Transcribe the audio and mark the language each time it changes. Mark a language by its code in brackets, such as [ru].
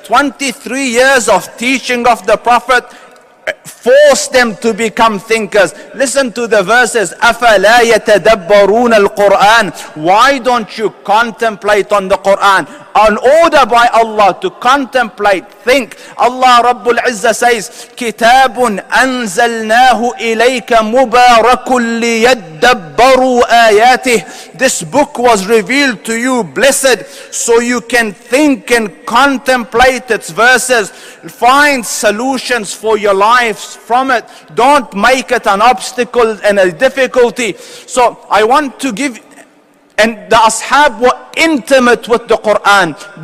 [en] 23 years of teaching of the Prophet forced them to become thinkers. Listen to the verses. [ar] أَفَلَا يَتَدَبَّرُونَ الْقُرْآنَ. [en] Why don't you contemplate on the Quran? An order by Allah to contemplate, think. Allah Rabbul Izzah says, [ar] كِتَابٌ أَنزَلْنَاهُ إِلَيْكَ مُبَارَكٌ لِيَدَّبَّرُوا آيَاتِهِ. [en] This book was revealed to you, blessed, so you can think and contemplate its verses. Find solutions for your lives from it. Don't make it an obstacle and a difficulty. So I want to give... And the Ashab were intimate with the Quran.